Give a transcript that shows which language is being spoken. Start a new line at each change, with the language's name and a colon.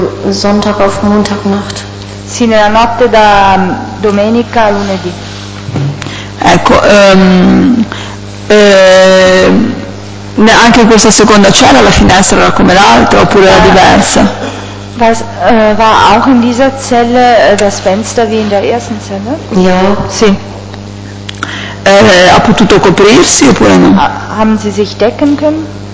German: Sonntag auf Montagnacht.
Italian: Sì, nella notte da domenica a lunedì. Ecco, anche in questa seconda cella la finestra era come l'altra oppure era diversa?
German: War auch in dieser Zelle das Fenster wie in der ersten Zelle? Ja.
Italian: Sì. Ha potuto coprirsi oppure no?
German: Haben Sie sich decken können?